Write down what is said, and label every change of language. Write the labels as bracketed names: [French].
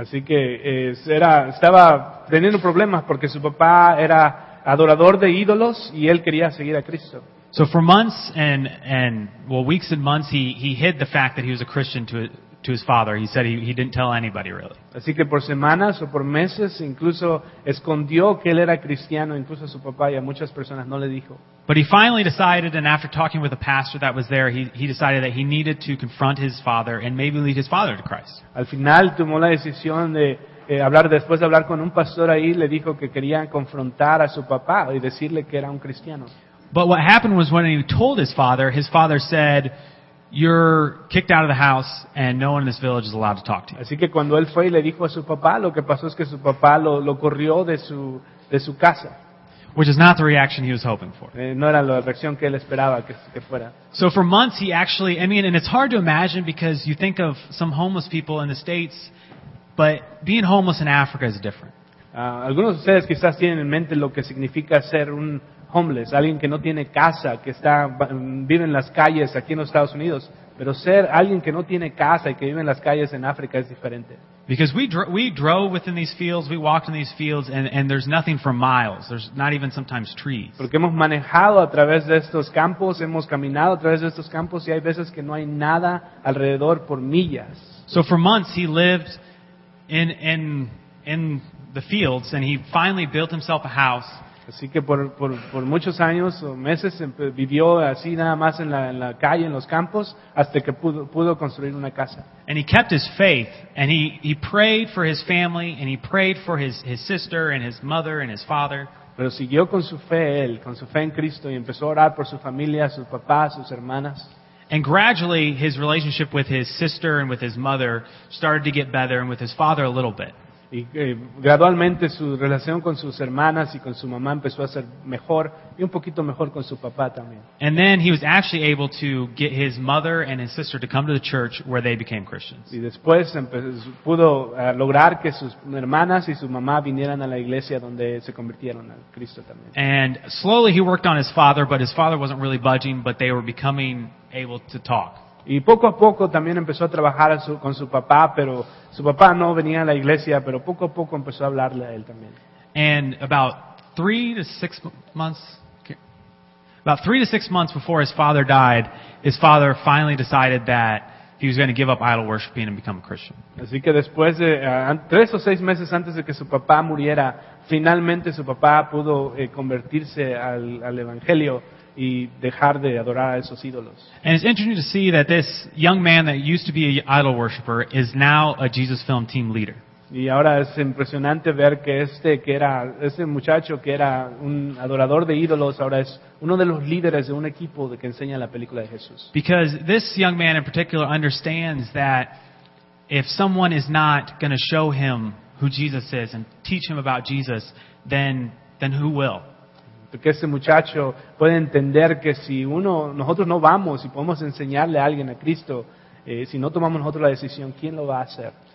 [Spanish] Así que estaba teniendo problemas porque su papá era adorador de ídolos y él quería seguir a Cristo. [English] So for months weeks and months he hid the fact that he was a Christian to his father. He said he didn't tell anybody really. [Spanish] Así que por semanas o por meses incluso escondió que él era cristiano incluso a su papá y a muchas personas no le dijo. [English] But he finally decided, and after talking with a pastor that was there, he decided that he needed to confront his father and maybe lead his father to Christ. [Spanish] Al final tomó la decisión de hablar después de hablar con un pastor ahí le dijo que quería confrontar a su papá y decirle que era un cristiano. [English] But what happened was when he told his father said, you're kicked out of the house and no one in this village is allowed to talk to you. [Spanish] Así que cuando él fue y le dijo a su papá, lo que pasó es que su papá lo corrió de su casa. [English] Which is not the reaction he was hoping for. [Spanish] No era la reacción que él esperaba que fuera. [English] So for months he actually, I mean, and it's hard to imagine because you think of some homeless people in the States, but being homeless in Africa is different. [Spanish] Algunos de ustedes quizás tienen en mente lo que significa ser un homeless, alguien que no tiene casa, que está vive en las calles aquí en los Estados Unidos, pero ser alguien que no tiene casa y que vive en las calles en África es diferente. [English] Because we drove within these fields, we walked in these fields and there's nothing for miles. There's not even sometimes trees. [Spanish] Porque hemos manejado a través de estos campos, hemos caminado a través de estos campos y hay veces que no hay nada alrededor por millas. [English] So for months he lived in the fields and he finally built himself a house. [Spanish] Así que por muchos años o meses vivió así nada más en la calle, en los campos, hasta que pudo construir una casa. [English] And he kept his faith, and he prayed for his family, and he prayed for his sister, and his mother, and his father. [Spanish] Pero siguió con su fe él, con su fe en Cristo, y empezó a orar por su familia, sus papás, sus hermanas. [English] And gradually his relationship with his sister and with his mother started to get better, and with his father a little bit. [Spanish] Y gradualmente su relación con sus hermanas y con su mamá empezó a ser mejor y un poquito mejor con su papá también. [English] And then he was actually able to get his mother and his sister to come to the church where they became Christians. [Spanish] Y después pudo lograr que sus hermanas y su mamá vinieran a la iglesia donde se convirtieron a Cristo también. [English] And slowly he worked on his father, but his father wasn't really budging, but they were becoming able to talk. [Spanish] Y poco a poco también empezó a trabajar con su papá, pero su papá no venía a la iglesia, pero poco a poco empezó a hablarle a él también. [English] And about 3 to 6 months before his father died, his father finally decided that he was going to give up idol worshiping and become a Christian. [Spanish] Así que después de 3 o 6 meses antes de que su papá muriera, finalmente su papá pudo convertirse al evangelio. Y dejar de adorar a esos ídolos. [English] And it's interesting to see that this young man that used to be an idol worshipper is now a Jesus Film team leader. [Spanish] Y ahora es impresionante ver que ese muchacho que era un adorador de ídolos ahora es uno de los líderes de un equipo que enseña la película de Jesús. [English] Because this young man in particular understands that if someone is not going to show him who Jesus is and teach him about Jesus, then who will? [Spanish] Porque ese muchacho puede entender que si nosotros no vamos y podemos enseñarle a alguien a Cristo, si no tomamos nosotros la decisión, ¿quién lo va a hacer?